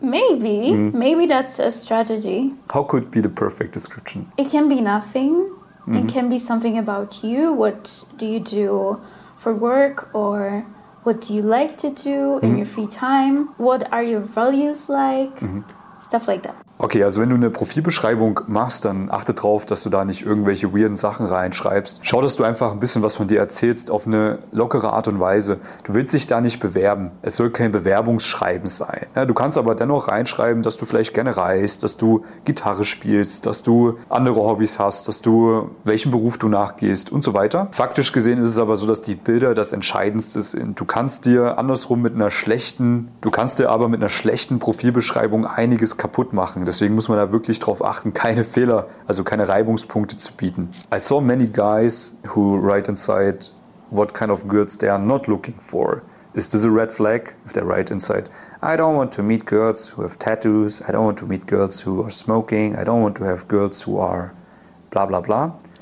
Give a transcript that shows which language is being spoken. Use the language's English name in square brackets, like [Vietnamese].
[English] Maybe. Maybe that's a strategy. How could be the perfect description? It can be nothing. It can be something about you. What do you do for work or what do you like to do in your free time? What are your values like? Stuff like that. [German] Okay, also wenn du eine Profilbeschreibung machst, dann achte drauf, dass du da nicht irgendwelche weirden Sachen reinschreibst. Schau, dass du einfach ein bisschen was von dir erzählst auf eine lockere Art und Weise. Du willst dich da nicht bewerben. Es soll kein Bewerbungsschreiben sein. Ja, du kannst aber dennoch reinschreiben, dass du vielleicht gerne reist, dass du Gitarre spielst, dass du andere Hobbys hast, dass du welchen Beruf du nachgehst und so weiter. Faktisch gesehen ist es aber so, dass die Bilder das Entscheidendste sind. Du kannst dir andersrum mit einer schlechten, Profilbeschreibung einiges kaputt machen. Deswegen muss man da wirklich drauf achten, keine Fehler, also keine Reibungspunkte zu bieten. [English] I saw many guys who write inside what kind of girls they are not looking for. Is this a red flag? If they write inside, I don't want to meet girls who have tattoos, I don't want to meet girls who are smoking, I don't want to have girls who are blah blah blah.